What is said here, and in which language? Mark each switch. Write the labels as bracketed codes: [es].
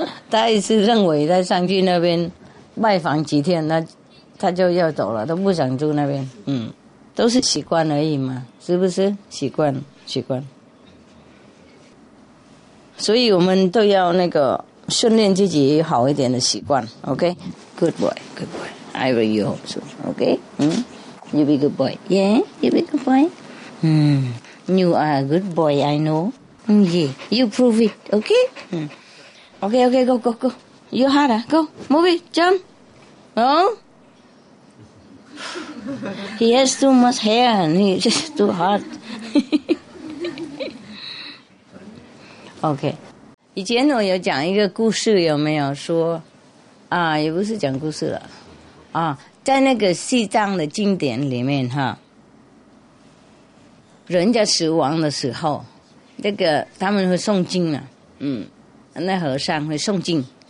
[zh] 他一直认为他上去那边拜访几天他就要走了，他不想住那边。都是习惯而已嘛，是不是？习惯。所以我们都要那个训练自己好一点的习惯， OK? [en] Good boy, good boy. I will you also. Okay? You be good boy. Yeah? You be good boy? You are a good boy, I know. Yeah. You prove it, okay? Okay, okay, go, go, go. You're hard, huh? Go. Move it, jump. Oh? He has too much hair and he's just too hot. Okay. [zh] 以前我有讲一个故事，有没有说也不是讲故事了在那个西藏的经典里面哈，人家死亡的时候那个他们会诵经那和尚会诵经